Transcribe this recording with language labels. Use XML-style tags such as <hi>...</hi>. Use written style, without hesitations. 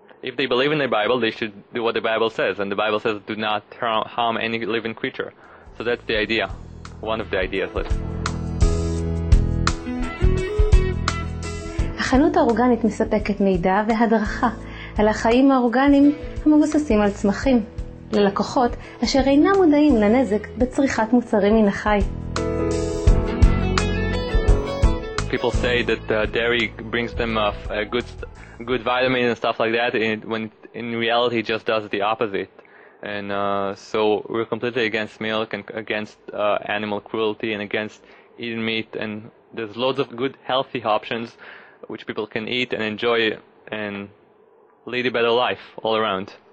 <en>If they believe in the Bible, they should do what the Bible says, and the Bible says do not harm any living creature. So that's the idea, one of the ideas.</en> <he>החנות האורגנית מספקת מידע והדרכה על החיים האורגניים המבוססים על צמחים ללקוחות אשר אינם מודעים לנזק בצריכת מוצרים מן החי.</he> <en>People say that dairy brings them good vitamins and stuff like that, when in reality it just does the opposite. And so we're completely against milk and against animal cruelty and against eating meat, and there's loads of good healthy options which people can eat and enjoy and lead a better life all around.</en>